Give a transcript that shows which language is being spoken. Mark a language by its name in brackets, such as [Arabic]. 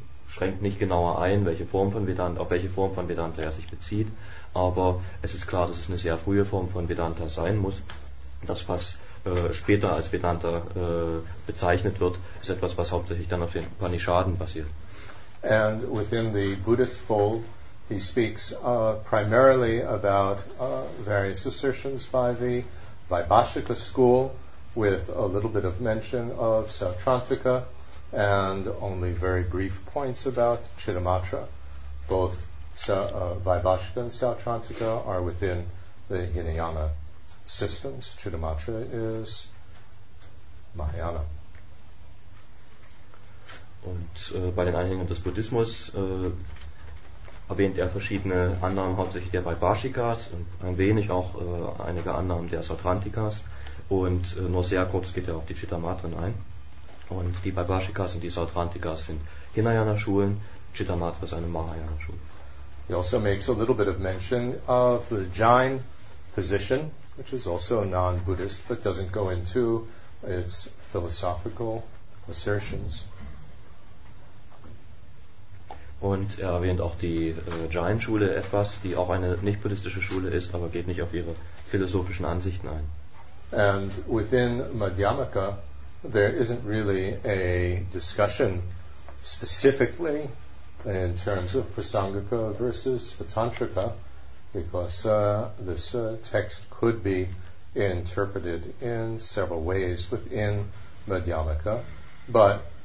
[German] schränkt nicht genauer ein, welche Form von Vedanta, auf welche Form von Vedanta er sich bezieht, aber es ist klar, dass es eine sehr frühe Form von Vedanta sein muss. Das, was später als Vedanta bezeichnet wird, ist etwas, was hauptsächlich dann auf den Upanishaden basiert. [English] And within the Buddhist fold, he speaks primarily about various assertions by the Vaibhashika school, with a little bit of mention of Sautrantika, and only very brief points about Chittamatra. Both Vaibhashika and Sautrantika are within the Hinayana systems. Chittamatra is Mahayana. [German] Und bei den Anhängern des Buddhismus erwähnt er verschiedene Annahmen, hauptsächlich der Vaibhashikas und ein wenig auch einige Annahmen der Sautrantikas. Und nur sehr kurz geht er auf die Chittamatren ein. Und die Vaibhashikas und die Sautrantikas sind Hinayana-Schulen, Chittamatra ist eine Mahayana-Schule. [English] He also makes a little bit of mention of the Jain position, which is also non-Buddhist, but doesn't go into its philosophical assertions. [German] Und er erwähnt auch die Jain-Schule etwas, die auch eine nicht-buddhistische Schule ist, aber geht nicht auf ihre philosophischen Ansichten ein. [English] And within Madhyamaka, there isn't really a discussion specifically in terms of Prasangika versus Vatantrika, because this text could be interpreted in several ways within Madhyamaka, but